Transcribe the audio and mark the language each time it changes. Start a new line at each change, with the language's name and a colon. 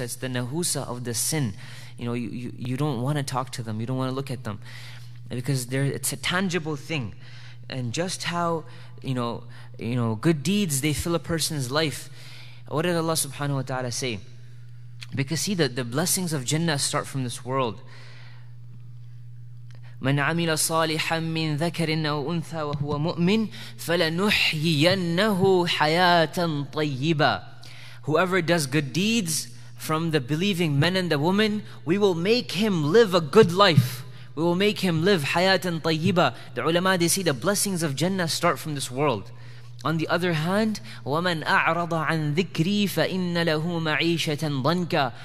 English: It's the nahusa of the sin. You know, you don't want to talk to them. You don't want to look at them. Because it's a tangible thing. And just how, you know, good deeds, they fill a person's life. What did Allah subhanahu wa ta'ala say? Because see, the blessings of Jannah start from this world.
Arabic: من عمل صالحا من ذكر أو أنثى وهو مؤمن فلنحيينه حياة طيبة.
English: Whoever does good deeds from the believing men and the women, we will make him live a good life. We will make him live
Arabic: حياة طيبة.
English: The ulama, they see the blessings of Jannah start from this world. On the other hand,
Arabic: وَمَنْ أَعْرَضَ عَنْ ذِكْرِي فَإِنَّ لَهُ مَعِيشَةً ضَنْكَ.